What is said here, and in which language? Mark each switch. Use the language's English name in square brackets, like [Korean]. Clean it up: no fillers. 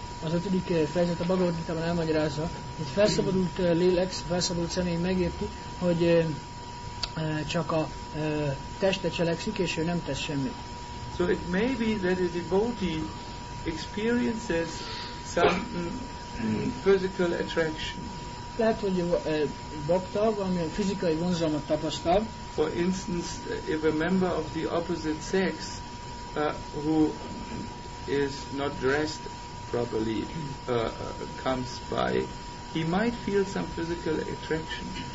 [Hungarian] Az ötödik fejezet a Bhagavad Gita-ban elmagyarázza, hogy felszabadult lélek, felszabadult személy megérti, hogy csak a teste cselekszik, és ő nem tesz semmit. [English] So it may be that a devotee experiences some physical attraction. [Hungarian] Lehet, hogy bhakta valamilyen fizikai vonzalmat tapasztal. [English] For instance, if a member of the opposite sex who is not dressed properly comes by, he might feel some physical attraction.